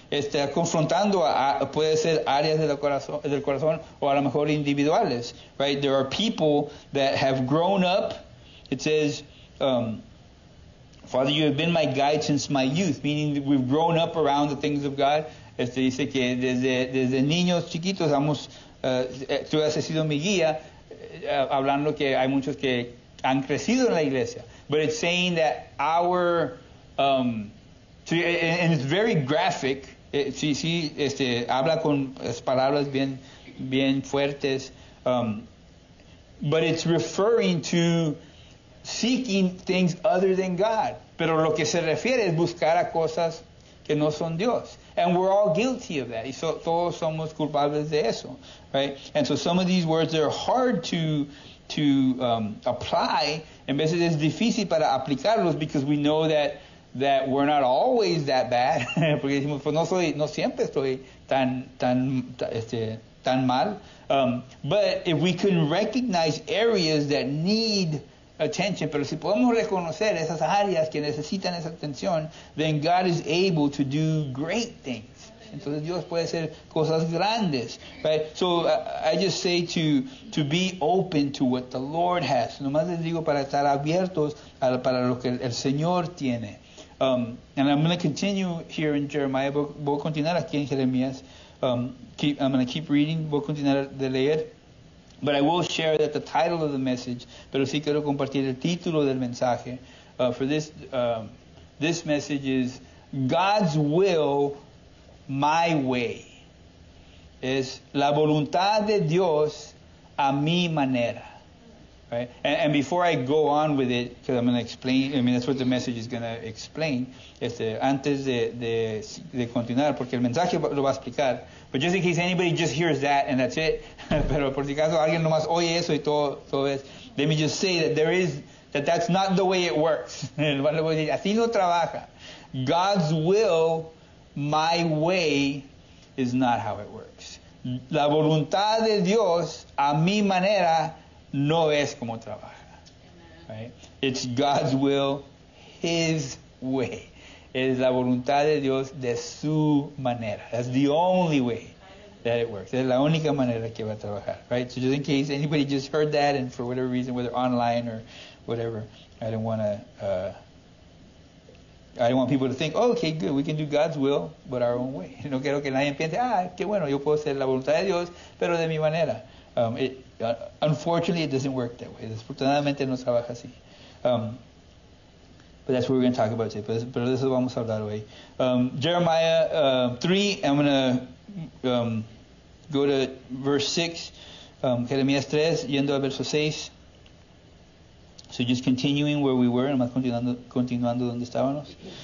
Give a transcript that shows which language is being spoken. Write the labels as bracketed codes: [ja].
[es] Confrontando puede ser áreas del corazón o a lo mejor individuales, right? [en] There are people that have grown up. It says, Father, you have been my guide since my youth, meaning that we've grown up around the things of God. [es] Dice que desde niños chiquitos tú has sido mi guía, hablando que hay muchos que han crecido en la iglesia. [en] But it's saying that and it's very graphic. [es] Habla con palabras bien fuertes. [en] But it's referring to seeking things other than God. [es] Pero lo que se refiere es buscar a cosas que no son Dios. [en] And we're all guilty of that. [es] Todos somos culpables de eso, [en] right? And so some of these words are hard to apply. [es] En veces es difícil para aplicarlos [en] because we know that we're not always that bad. [es] Porque decimos, pues no siempre estoy tan mal. [en] But if we can recognize areas that need attention, [es] pero si podemos reconocer esas áreas que necesitan esa atención, [en] then God is able to do great things. [es] Entonces Dios puede hacer cosas grandes, right? [en] So I just say to be open to what the Lord has. [es] Nomás les digo para estar abiertos para lo que el Señor tiene. [en] And I'm going to continue here in Jeremiah. [es] Voy a continuar aquí en Jeremías. [en] I'm going to keep reading. [es] Voy a continuar de leer. [en] But I will share that the title of the message, [es] pero sí quiero compartir el título del mensaje, [en] for this this message is God's will, my way. [es] Es la voluntad de Dios a mi manera. Right? [en] And before I go on with it, because I'm going to explain, that's what the message is going to explain, [es] antes de continuar, porque el mensaje lo va a explicar. [en] But just in case anybody just hears that and that's it, [es] pero por si acaso alguien nomás oye eso y todo es, [en] let me just say that that's not the way it works. [es] Así no trabaja. [en] God's will, my way, is not how it works. [es] La voluntad de Dios, a mi manera, no es como trabaja. Right? [en] It's God's will, his way. [es] Es la voluntad de Dios de su manera. [en] That's the only way that it works. [es] Es la única manera que va a trabajar, right? [en] So just in case anybody just heard that, and for whatever reason, whether online or whatever, I don't want people to think, oh, okay, good, we can do God's will, but our own way. [es] No quiero que nadie piense, qué bueno, yo puedo hacer la voluntad de Dios, pero de mi manera. [en] Unfortunately, it doesn't work that way. [es] Desafortunadamente no trabaja así. [en] But that's what we're going to talk about today. [es] Pero eso vamos a hablar hoy. [en] Jeremiah 3, I'm going to go to verse 6. [es] Jeremías 3, yendo a verso 6. [en] So just continuing where we were, [es] nomás continuando donde estábamos.